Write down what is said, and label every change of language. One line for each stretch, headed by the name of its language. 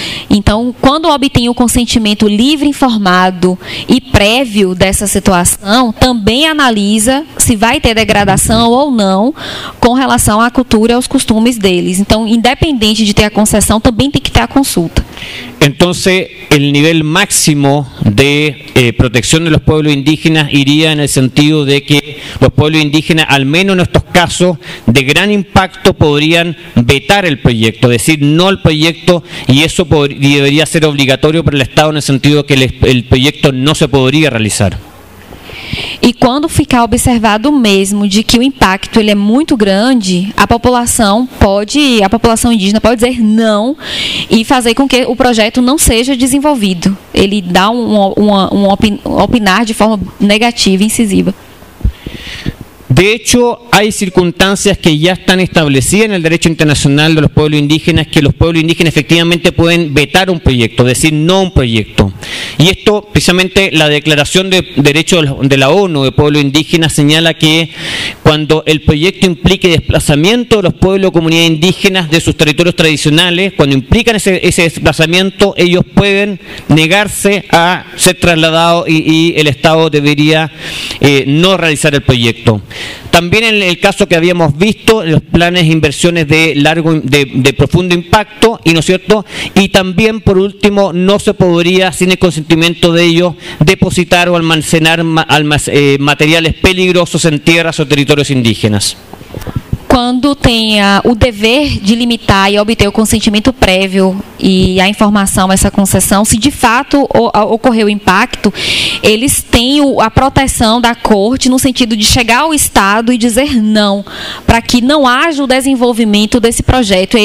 Portuguese: Então, quando obtém o consentimento livre, informado e prévio dessa situação, também analisa se vai ter degradação ou não com relação à cultura e aos costumes deles. Então, independente de ter a concessão, também tem que ter a consulta. Então, o nível máximo de proteção dos povos indígenas iria no sentido de que os povos indígenas, ao menos nestes casos de grande impacto,
Spanish: podrían vetar el proyecto, decir no al proyecto, y eso debería ser obligatorio para el Estado en el sentido que el proyecto no se podría realizar.
Portuguese: E quando ficar observado mesmo de que o impacto ele é muito grande, a população indígena pode dizer não e fazer com que o projeto não seja desenvolvido. Ele dá opinar de forma negativa e incisiva.
Spanish: De hecho, hay circunstancias que ya están establecidas en el derecho internacional de los pueblos indígenas, que los pueblos indígenas efectivamente pueden vetar un proyecto, decir no un proyecto. Y esto, precisamente, la Declaración de Derechos de la ONU de Pueblos Indígenas señala que cuando el proyecto implique desplazamiento de los pueblos o comunidades indígenas de sus territorios tradicionales, cuando implican ese desplazamiento, ellos pueden negarse a ser trasladados y el Estado debería no realizar el proyecto. También en el caso que habíamos visto, los planes de inversiones de profundo impacto, y no es cierto, y también por último no se podría, sin el consentimiento de ellos, depositar o almacenar materiales peligrosos en tierras o territorios indígenas.
Portuguese: Quando tenha o dever de limitar e obter o consentimento prévio e a informação, essa concessão, se de fato ocorrer o impacto, eles têm a proteção da corte no sentido de chegar ao Estado e dizer não, para que não haja o desenvolvimento desse projeto.